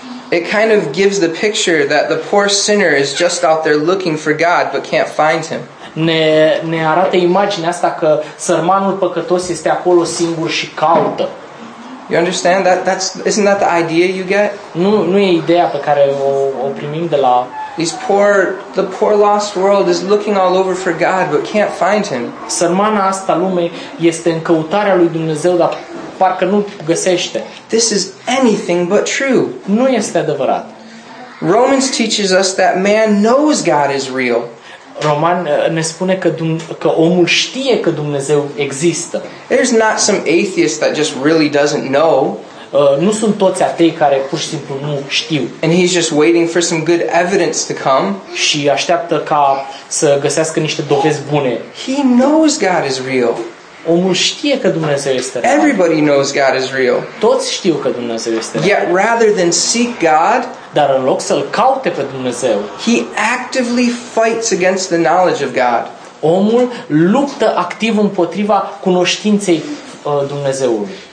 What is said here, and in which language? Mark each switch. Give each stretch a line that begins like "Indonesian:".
English: It kind of gives the picture that the poor sinner is just out there looking for God but can't find him.
Romanian: Ne arată imaginea asta că sărmanul păcătos este acolo singur și caută.
English: You understand that isn't that the idea you get?
Romanian: Nu e ideea pe care o primim de la
English: The poor lost world is looking all over for God but can't find him.
Romanian: Sărmana asta lume este în căutarea lui Dumnezeu dar parcă nu găsește.
English: This is anything but true.
Romanian: Nu este adevărat.
English: Romans teaches us that man knows God is real.
Romanian: Roman ne spune că omul știe că Dumnezeu există.
English: There's not some atheist that just really doesn't know.
Romanian: Nu sunt toți atei care pur și simplu nu știu.
English: And he's just waiting for some good evidence to come.
Romanian: Și așteaptă ca să găsească niște dovezi bune.
English: He knows God is real.
Romanian: Omul știe că Dumnezeu este real.
English: Everybody knows God is real.
Romanian: Toți știu că Dumnezeu este real.
English: Yet rather than seek God,
Romanian: dar în loc să-l caute pe Dumnezeu,
English: he actively fights against the knowledge of God.
Romanian: Omul luptă activ împotriva cunoștinței Dumnezeului.